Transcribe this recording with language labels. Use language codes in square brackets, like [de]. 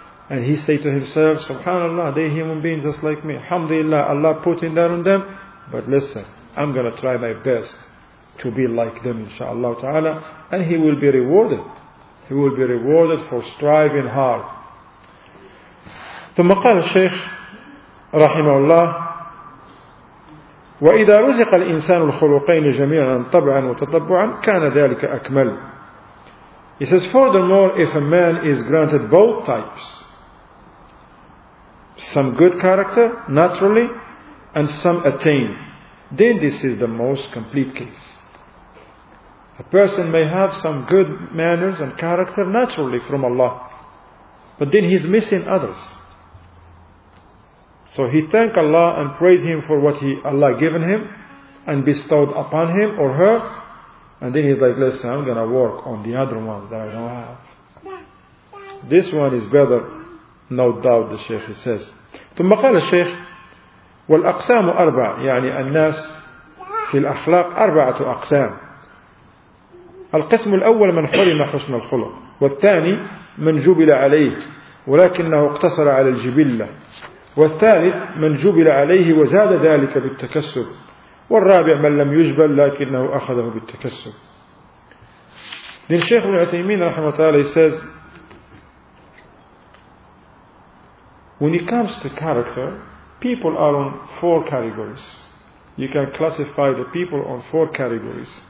[en] And he say to himself, subhanallah, they human beings just like me. Alhamdulillah, Allah putting that on them. But listen, I'm going to try my best to be like them, inshaAllah ta'ala. And he will be rewarded. He will be rewarded for striving hard. [ar] ثم قال الشيخ رحمه الله وإذا رزق الإنسان الخلقين جميعا طبعا وتطبعا كان ذلك أكمل. [en] He says, furthermore, if a man is granted both types, some good character naturally and some attained, then this is the most complete case. A person may have some good manners and character naturally from Allah, but then he's missing others. So he thank Allah and praise Him for what Allah given him and bestowed upon him or her, And then he's like, listen, I'm going to work on the other ones that I don't have. This one is better, no doubt, the Shaykh says. [ar] ثم قال الشيخ والأقسام أربع يعني الناس في الأخلاق أربعة أقسام. القسم الأول من حرم حسن الخلق، والثاني من جبل عليه ولكنه اقتصر على الجبلة، والثالث من جبل عليه وزاد ذلك بالتكسب، والرابع من لم يجبل لكنه أخذه بالتكسب. للشيخ ابن عثيمين رحمه الله تعالى [en] says when it comes to character, people are on four categories. You can classify the people on four categories.